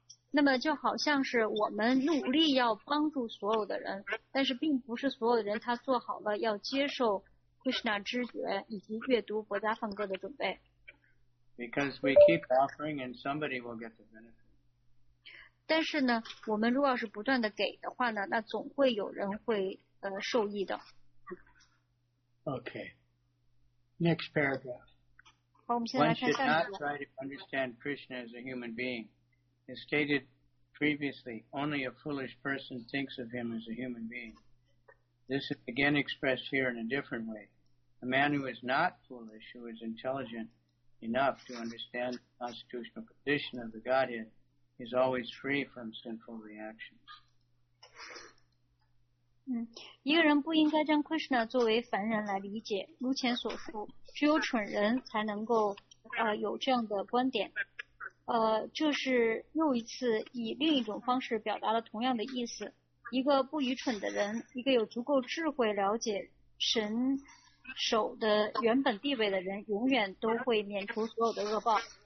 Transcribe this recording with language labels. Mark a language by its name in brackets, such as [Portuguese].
[Chinese] 那么就好像是我们努力要帮助所有的人，但是并不是所有的人他做好了要接受 Krishna 知觉以及阅读佛家梵歌的准备。 [English] Because we keep offering and somebody will get the benefit. [Chinese] 但是呢，我们如果是不断的给的话呢，那总会有人会受益的。 [English] Okay. Next paragraph. [Chinese] 好，我们现在看下一个。 [English] One should not try to understand Krishna as a human being. As stated previously, only a foolish person thinks of him as a human being. This is again expressed here in a different way. A man who is not foolish, who is intelligent enough to understand the constitutional position of the Godhead, is always free from sinful reactions. [Chinese] 一个人不应该将 Krishna 作为凡人来理解，如前所述，只有蠢人才能够有这样的观点。这是又一次以另一种方式表达了同样的意思。一个不愚蠢的人，一个有足够智慧了解神手的原本地位的人，永远都会免除所有的恶报。